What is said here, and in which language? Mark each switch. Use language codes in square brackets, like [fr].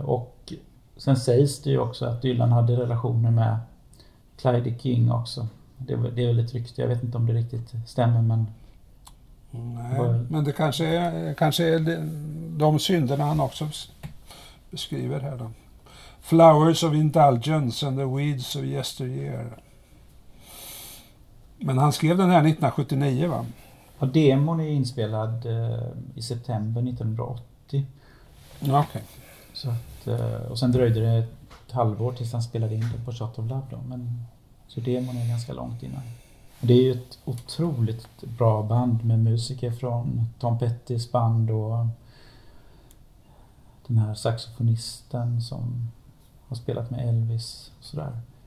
[sv] Och sen sägs det ju också att Dylan hade relationer med Clyde King också. Det är väl lite riktigt. Jag vet inte om det riktigt stämmer, men Men det kanske är de synderna han också beskriver här då. [en] Flowers of indulgence and the weeds of yesteryear. [sv] Men han skrev den här 1979 va? Ja, demon är inspelad i september 1980. Okej. Okay. Och sen dröjde det ett halvår tills han spelade in det på Shot of Love då. Men så demon är ganska långt innan. Det är ju ett otroligt bra band med musiker från Tom Pettys band och den här saxofonisten som har spelat med Elvis och sådär.